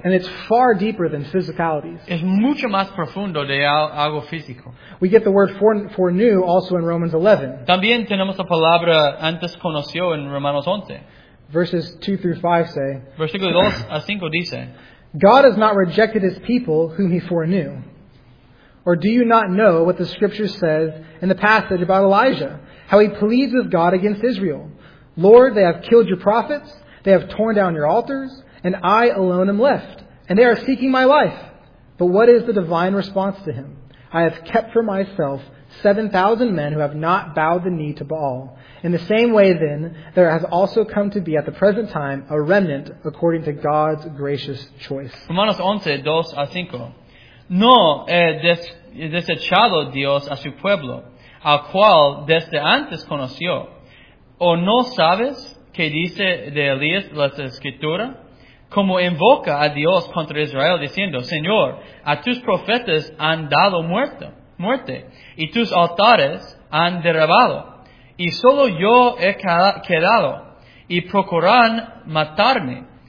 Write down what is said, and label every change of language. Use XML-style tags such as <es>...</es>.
<en>And it's far deeper than physicalities.</en> <es>Es mucho más profundo de algo físico.</es> <en>We get the word for new also in Romans 11.</en> <es>También tenemos la palabra antes conoció en Romanos 11.</es> <en>Verses 2 through 5 say,</en> <es>versículo 2 a 5 dice,</es> <en>God has not rejected his people whom he foreknew. Or do you not know what the scripture says in the passage about Elijah, how he pleads with God against Israel? Lord, they have killed your prophets, they have torn down your altars, and I alone am left, and they are seeking my life. But what is the divine response to him? I have kept for myself 7,000 men who have not bowed the knee to Baal. In the same way, then, there has also come to be at the present time a remnant according to God's gracious choice.</en> <es>Romanos 11, 2 a 5. No he desechado Dios a su pueblo, al cual desde antes conoció. ¿O no sabes qué dice de Elías la Escritura? Como invoca a Dios contra Israel, diciendo, Señor, a tus profetas han dado muerte, y tus altares han derribado, y solo yo he quedado, y procuran matarme.</es>